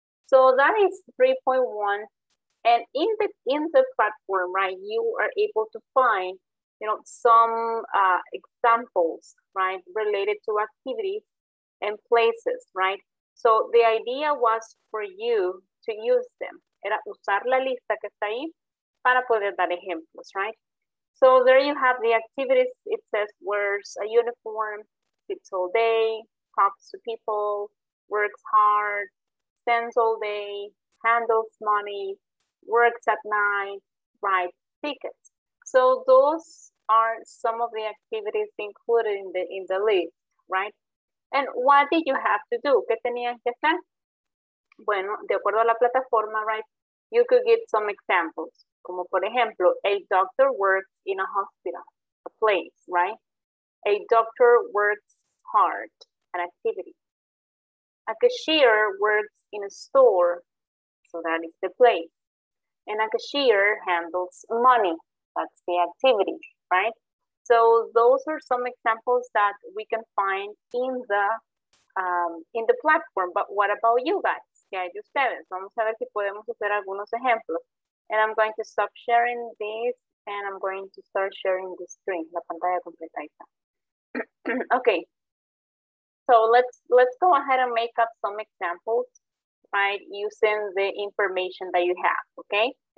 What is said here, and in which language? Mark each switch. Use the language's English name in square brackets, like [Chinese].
[English] So that is 3.1. And in the platform, right, you are able to find, you know, some examples, right, related to activities and places, right? So the idea was for you to use them. [Spanish] Era usar la lista que está ahí para poder dar ejemplos, right? [English] So there you have the activities. It says wears a uniform, sits all day, talks to people, works hard, spends all day, handles money, works at night, writes tickets. So those are some of the activities included in the list, right? And what did you have to do? ¿Qué tenían que hacer? Bueno, de acuerdo a la plataforma, right, you could get some examples. Como por ejemplo, a doctor works in a hospital, a place, right? A doctor works hard, an activity. A cashier works in a store, so that is the place. And a cashier handles money, that's the activity, right? So those are some examples that we can find in the platform. But what about you guys? ¿Qué hay de ustedes? [Spanish] Vamos a ver si podemos hacer algunos ejemplos. [English] And I'm going to stop sharing this, and I'm going to start sharing the screen, la pantalla completa. Okay. So let's go ahead and make up some examples, right, using the information that you have, okay?